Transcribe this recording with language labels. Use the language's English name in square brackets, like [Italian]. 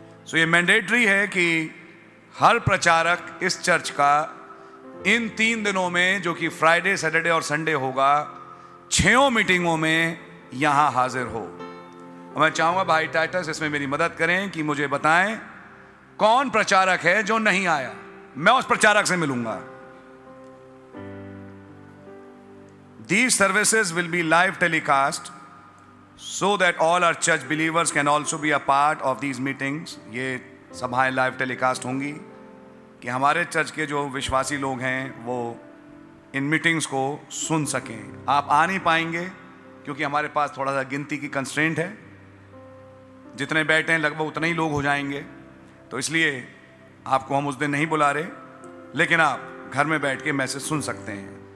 [Hindi] सो ये मैंडेटरी है कि हर प्रचारक इस चर्च का इन तीन दिनों में, जो कि फ्राइडे, सैटरडे और संडे होगा, छहों मीटिंगों में यहां हाजिर हो। और मैं चाहूंगा भाई टाइटस इसमें मेरी मदद करें कि मुझे बताएं कौन प्रचारक है जो नहीं आया, मैं उस प्रचारक से मिलूंगा। [English] These services will be live telecast so that all our church believers can also be a part of these meetings. [Hindi] ये सभाएं live telecast होंगी कि हमारे चर्च के जो विश्वासी लोग हैं वो इन मीटिंग्स को सुन सकें. आप आ नहीं पाएंगे क्योंकि हमारे पास थोड़ा सा गिनती की कंस्ट्रेंट है. जितने बैठे हैं लगभग उतने ही लोग हो जाएंगे, तो इसलिए आपको हम उस दिन नहीं बुला रहे, लेकिन आप घर में बैठ के मैसेज सुन सकते हैं.